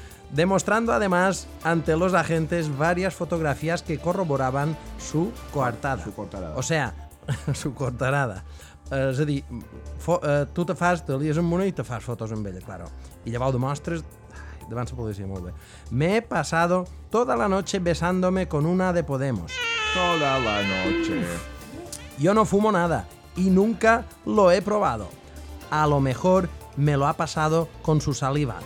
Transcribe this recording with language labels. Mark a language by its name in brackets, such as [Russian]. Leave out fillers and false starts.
[Spanish] Demostrando además ante los agentes varias fotografías que corroboraban su coartada. Su coartada. O sea, su coartada. [Catalan] És a dir, tu te fas, te lies amb una i te fas fotos amb ella, claro. I llavors demostres... Ai, davant la policia, molt bé. [Spanish] Me he pasado toda la noche besándome con una de Podemos. Toda la noche. Yo no fumo nada y nunca lo he probado. A lo mejor me lo ha pasado con su saliva.